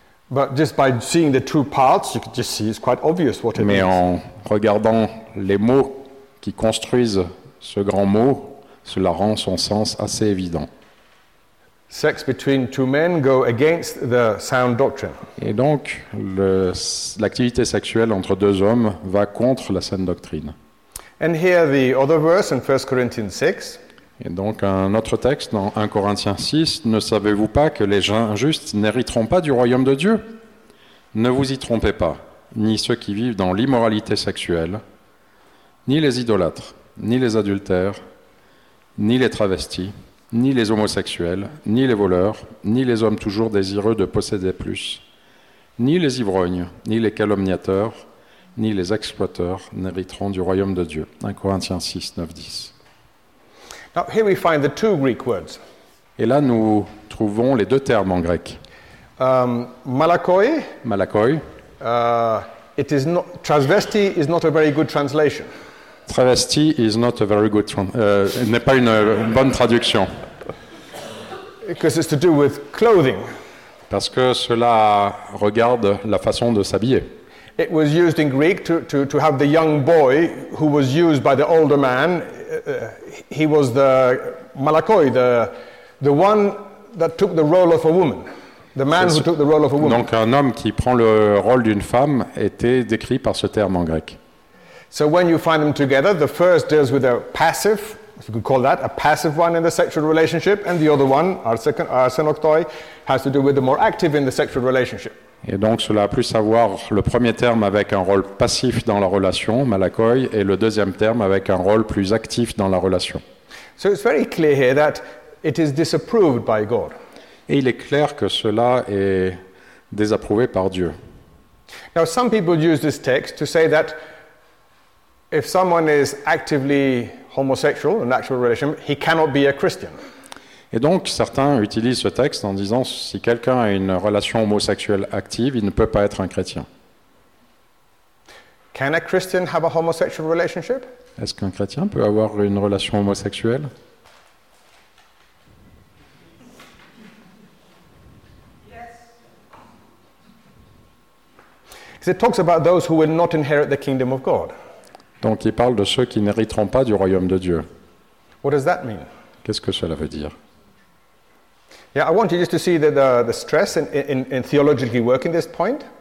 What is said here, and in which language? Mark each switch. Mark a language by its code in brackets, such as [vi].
[en] But just by seeing the two parts, you could just see it's quite obvious what it means. [fr] Mais en regardant les mots qui construisent ce grand mot, cela rend son sens assez évident. [en] Sex between two men go against the sound doctrine. [fr] Et donc, l'activité sexuelle entre 2 hommes va contre la saine doctrine. [en] And here the other verse in 1 Corinthians 6. [fr] Et donc, un autre texte dans 1 Corinthiens 6. Ne savez-vous pas que les injustes n'hériteront pas du royaume de Dieu? Ne vous y trompez pas, ni ceux qui vivent dans l'immoralité sexuelle, ni les idolâtres, ni les adultères, ni les travestis, ni les homosexuels, ni les voleurs, ni les hommes toujours désireux de posséder plus, ni les ivrognes, ni les calomniateurs, ni les exploiteurs n'hériteront du royaume de Dieu. 1 Corinthiens 6, 9, 10. [en] Now, here we find the two Greek words. [fr] Et là, nous trouvons les 2 termes en grec. [en] Malakoi. [fr] Malakoi. [en] It is not, transvesti is not a very good translation. Travesti is not a very good [fr] n'est pas une bonne traduction. [en] Because it's to do with clothing. [fr] Parce que cela regarde la façon de s'habiller. [en] It was used in Greek to have the young boy who was used by the older man. He was the malakoi, the one that took the role of a woman. The man who took the role of a woman. [fr] Donc un homme qui prend le rôle d'une femme était décrit par ce terme en grec. [en] So when you find them together, the first deals with a passive, if you could call that, a passive one in the sexual relationship, and the other one, arsenoktoi, has to do with the more active in the sexual relationship. [fr] Et donc cela a plus à voir le premier terme avec un rôle passif dans la relation, malakoi, et le deuxième terme avec un rôle plus actif dans la relation. [en] So it's very clear here that it is disapproved by God. [fr] Et il est clair que cela est désapprouvé par Dieu. [en] Now some people use this text to say that If someone is actively homosexual, a natural relationship, he cannot be a Christian. [fr] Et donc, certains utilisent ce texte en disant si quelqu'un a une relation homosexuelle active, il ne peut pas être un chrétien. [en] Can a Christian have a homosexual relationship? [fr] Est-ce qu'un chrétien peut avoir une relation homosexuelle? [en] Yes. It talks about those who will not inherit the kingdom of God. [fr] Donc, il parle de ceux qui n'hériteront pas du royaume de Dieu. [en] What does that mean? [fr] Qu'est-ce que cela veut dire? [en] Yeah, I want you just to see the stress in theologically working this point.